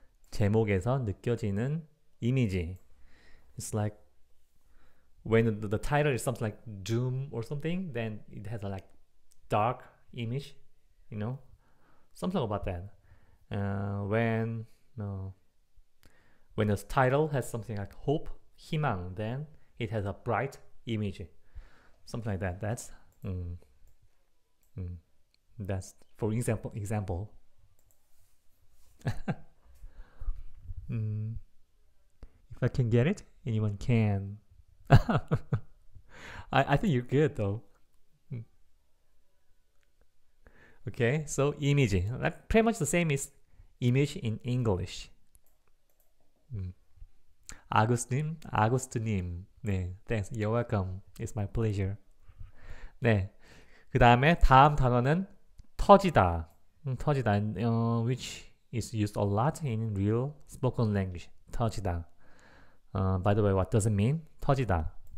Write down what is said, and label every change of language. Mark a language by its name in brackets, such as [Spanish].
[Korean] 제목에서 느껴지는 이미지. [English] It's like when the title is something like doom or something, then it has a like dark image, you know, something about that. When the title has something like hope, 희망, then it has a bright image. Something like that. That's for example. If I can get it, anyone can. I think you're good though. Okay, so image. That's pretty much the same as image in English. Agustin, 네, thanks, you're welcome, it's my pleasure. 네, [Korean] 그다음에 다음 단어는 터지다. 터지다. [English] Which is used a lot in real spoken language. 터지다. By the way, what does it mean? 터지다.